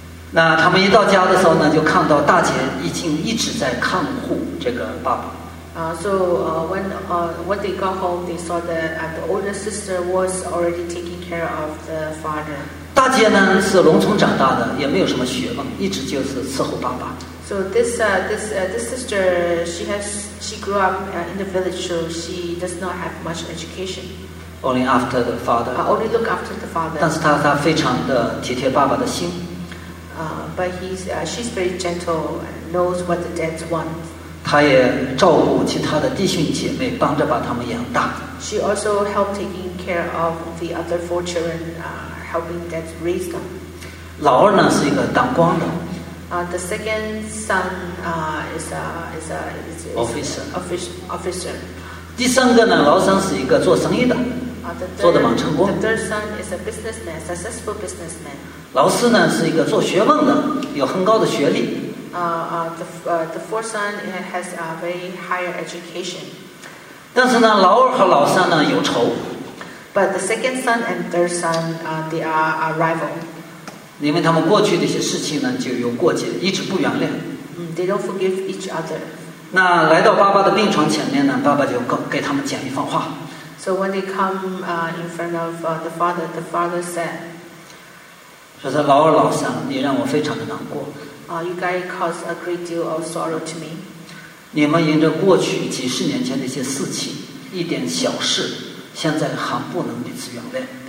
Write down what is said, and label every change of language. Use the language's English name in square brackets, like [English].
[Chinese] 那他们一到家的时候呢，就看到大姐已经一直在看护这个爸爸。 [English] When they got home, they saw that the older sister was already taking care of the father. [Chinese] 大姐呢是农村长大的，也没有什么学问，一直就是伺候爸爸。 [English] So this sister, she grew up in the village, so she does not have much education. Only after the father. I only look after the father. [Chinese] 但是他非常的体贴爸爸的心。 [English] But she's very gentle, knows what the dad wants. [Chinese] 她也照顾其他的弟兄姐妹，帮着把他们养大。 [English] She also helped taking care of the other four children, helping dad raise them. [Chinese] 老二呢是一个当官的。 [English] The second son, is an officer. [Chinese] 第三个呢，老三是一个做生意的。做得蛮成功。 [English] The third son is a businessman, successful businessman. [Chinese] 老四呢是一个做学问的，有很高的学历。 [English] The fourth son has a very higher education. [Chinese] 但是呢，老二和老三呢有仇。 [English] But the second son and third son, they are a rival. [Chinese] 因为他们过去的一些事情呢就有过节，一直不原谅。 [English] They don't forgive each other. [Chinese] 那来到爸爸的病床前面呢，爸爸就给他们讲一番话。 [English] So when they come in front of the father said, [Chinese] 说是老二老三，你让我非常的难过。 [English] You guys caused a great deal of sorrow to me. [Chinese] 你们沿着过去几十年前的一些事情，一点小事，现在还不能彼此原谅。